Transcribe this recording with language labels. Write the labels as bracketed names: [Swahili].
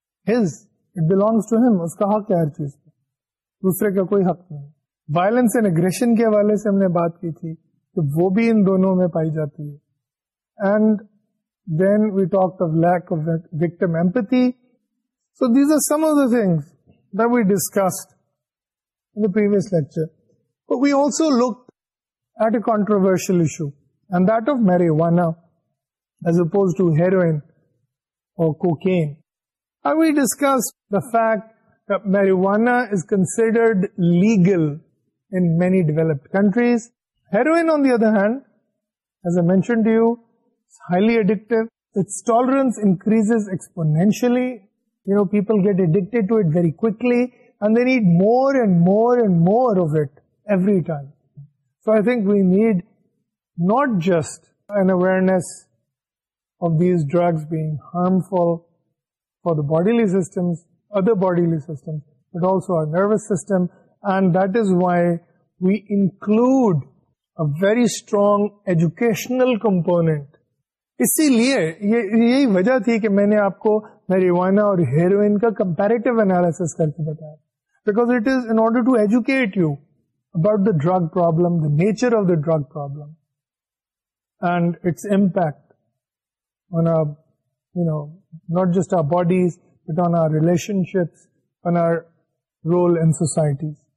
[Urdu] His it belongs to ہم اس کا حق ہے ہر چیز پہ دوسرے کا کوئی حق نہیں وائلنس اینڈ اگریشن کے حوالے سے ہم نے بات کی تھی کہ وہ بھی ان دونوں میں پائی جاتی ہے and Then we talked of lack of victim empathy. [English] So these are some of the things that we discussed in the previous lecture. But we also looked at a controversial issue and that of marijuana as opposed to heroin or cocaine. And we discussed the fact that marijuana is considered legal in many developed countries. Heroin, on the other hand, as I mentioned to you, it's highly addictive. Its tolerance increases exponentially. You know, people get addicted to it very quickly and they need more and more and more of it every time. So I think we need not just an awareness of these drugs being harmful for the bodily systems, other bodily systems, but also our nervous system. And that is why we include a very strong educational component. اسی لیے یہی وجہ تھی کہ میں نے آپ کو میریوانا اور ہیروئن کا کمپیریٹو انالیسس کر کے بتایا because it is in order to educate you about the drug problem the nature of the drug problem and its impact on you know not just our bodies but on our relationships on our role in societies